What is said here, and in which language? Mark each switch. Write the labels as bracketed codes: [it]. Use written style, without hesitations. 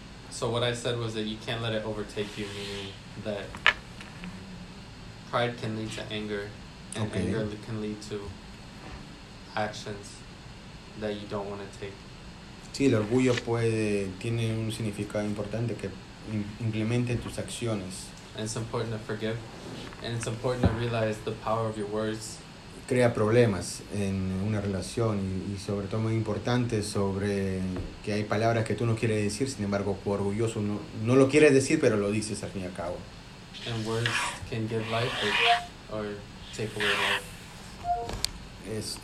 [en] So what I said was that you can't let it overtake you, meaning that pride can lead to anger, and okay, anger can lead to actions that you don't want to take. [es] Sí, el orgullo puede, tiene un significado importante que implemente tus acciones. [en] And it's important to forgive, and it's important to realize the power of your words. [es] Crea problemas en una relación y sobre todo muy importante sobre que hay palabras que tú no quieres decir, sin embargo, por orgulloso no lo quieres decir, pero lo dices al fin y al cabo. [en] And words can give life or take away life.